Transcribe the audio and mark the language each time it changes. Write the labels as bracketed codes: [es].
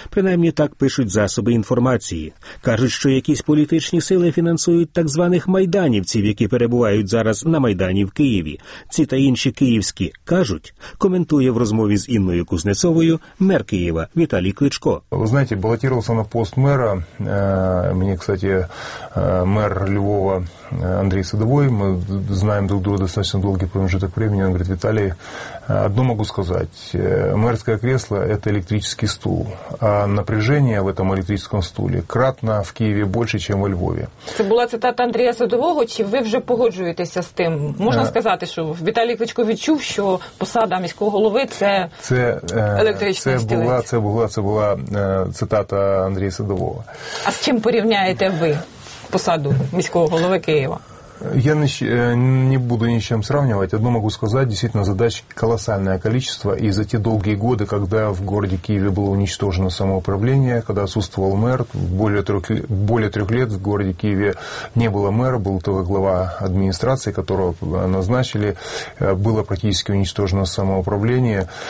[uk] Принаймні, так пишуть засоби інформації. Кажуть, що якісь політичні сили фінансують так званих майданівців, які перебувають зараз на Майдані в Києві. Ці та інші київські кажуть, коментує в розмові з Інною Кузнецовою мер Києва Віталій Кличко. Ви знаєте, балотувався на пост мера, [ru] кстати, мэр Львова Андрей Садовой, мы знаем друг друга достаточно долгий промежуток времени, он говорит: Виталий, одно могу сказать, мэрское кресло – это электрический стул, а напряжение в этом электрическом стуле кратно в Киеве больше, чем во Львове. Это была цитата Андрея Садового, [uk] чи вы уже погоджуетесь [ru] с тем? Можно сказать, что Виталий Кличко [uk] відчув, [ru] что [uk] посада міського голови – це [ru] электрический стул? [uk] Це була цитата Андрея Садового. [ru] А с чем [uk] порівняєте ви посаду міського голови Києва? [ru] Я не буду ни с чем сравнивать. Одно могу сказать, действительно, задач колоссальное количество. И за те долгие годы, когда в городе Киеве было уничтожено самоуправление, когда отсутствовал мэр, более трех лет в городе Киеве не было мэра, был только глава администрации, которого назначили, было практически уничтожено самоуправление.